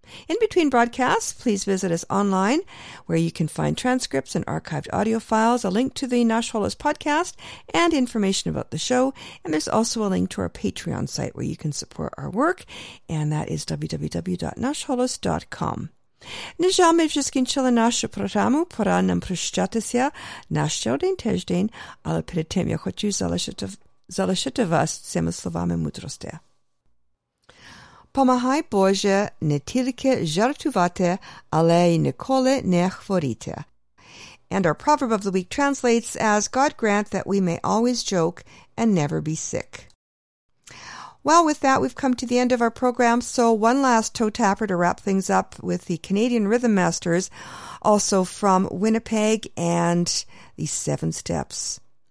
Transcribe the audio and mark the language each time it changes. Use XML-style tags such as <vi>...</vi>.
<en>In between broadcasts, please visit us online, where you can find transcripts and archived audio files, a link to the Nash Holis podcast, and information about the show. And there's also a link to our Patreon site where you can support our work, and that is www.nashholis.com.</en> <uk>На жаль, ми вже скінчили нашу програму. Пора нам прощатися на ще один тиждень, але перед тим я хочу залишити вас цими словами мудрості. Помагай, Боже, не тільки жартувати, але й ніколи не хворіти.</uk> <en>And our proverb of the week translates as, God grant that we may always joke and never be sick. Well, with that, we've come to the end of our program. So one last toe tapper to wrap things up with the Canadian Rhythm Masters, also from Winnipeg and the Seven Steps.</en>